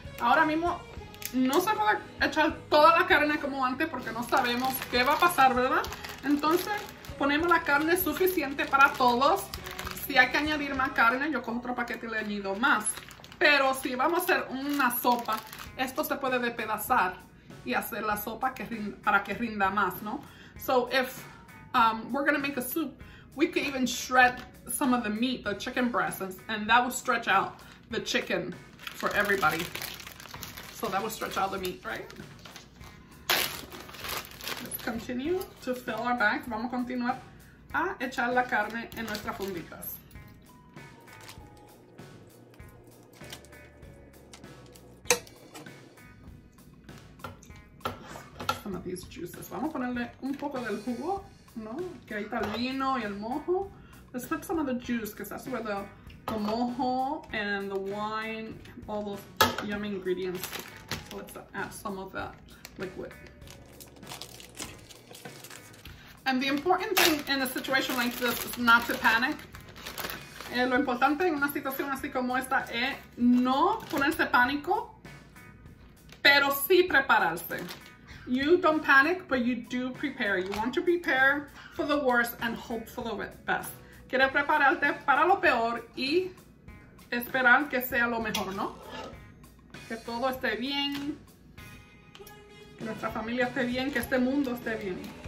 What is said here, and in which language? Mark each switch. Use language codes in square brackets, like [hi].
[es] Ahora mismo, no se puede echar toda la carne como antes porque no sabemos qué va a pasar, ¿verdad? Entonces, ponemos la carne suficiente para todos. Si hay que añadir más carne, yo cojo otro paquete y le añado más. Pero si vamos a hacer una sopa, esto se puede despedazar y hacer la sopa que rinda, para que rinda más, ¿no? [en] So if we're going to make a soup, we could even shred some of the meat, the chicken breasts, and that will stretch out the chicken for everybody. So that will stretch out the meat, right? Let's continue to fill our bag. [es] Vamos a continuar a echar la carne en nuestras funditas. [en] Some of these juices. [es] Vamos a ponerle un poco del jugo, ¿no? Que ahí está el vino y el mojo. [en] Let's put some of the juice, because that's where the mojo and the wine, all those yummy ingredients. So let's add some of that liquid. And the important thing in a situation like this is not to panic. [es] Lo importante en una situación así como esta es no ponerse pánico, pero sí prepararse. [en] You don't panic, but you do prepare. You want to prepare for the worst and hope for the best. [es] Quieres prepararte para lo peor y esperar que sea lo mejor, ¿no? Que todo esté bien, que nuestra familia esté bien, que este mundo esté bien.